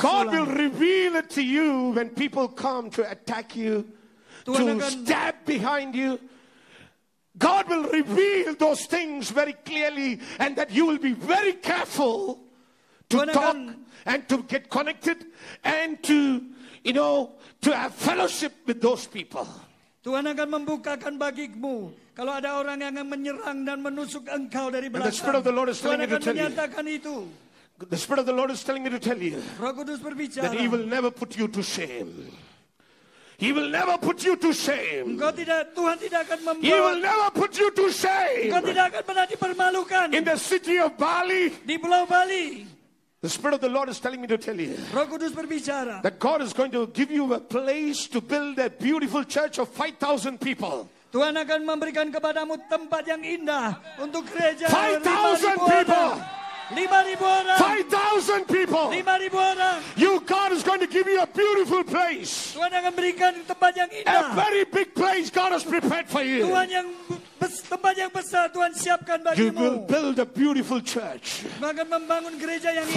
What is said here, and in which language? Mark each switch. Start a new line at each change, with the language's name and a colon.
English: God will reveal it to you when people come to attack you, Tuhan to stab behind you. God will reveal those things very clearly, and that you will be very careful to Tuhan talk and to get connected and to, you know, to have fellowship with those people.
Indonesian: Tuhan akan membukakan bagimu kalau ada orang yang menyerang dan menusuk engkau dari belakang.
English: And the Spirit of the Lord is telling
Indonesian: Tuhan
English: me to tell you.
Indonesian: Tuhan akan menyatakan itu.
English: The Spirit of the Lord is telling me to tell you.
Indonesian: Roh Kudus berbicara.
English: That He will never put you to shame. He will never put you to shame.
Indonesian: Engkau tidak, Tuhan tidak akan membuat.
English: He will never put you to shame.
Indonesian: Engkau tidak akan pernah dipermalukan.
English: In the city of Bali.
Indonesian: Di Pulau Bali.
English: The Spirit of the Lord is telling me to tell you
Indonesian: Roh Kudus berbicara.
English: That God is going to give you a place to build a beautiful church of 5,000 people.
Indonesian: Tuhan akan memberikan kepadamu tempat yang indah untuk gereja
English: 5,000 people.
Indonesian: 5,000 orang.
English: 5,000 people.
Indonesian: 5,000 orang.
English: You, God is going to give you a beautiful place.
Indonesian: Tuhan akan memberikan tempat yang indah.
English: A very big place God has prepared for you.
Indonesian: Tuhan yang tempat yang besar Tuhan siapkan bagimu.
English: You will build a beautiful church.
Indonesian: Akan membangun gereja yang indah.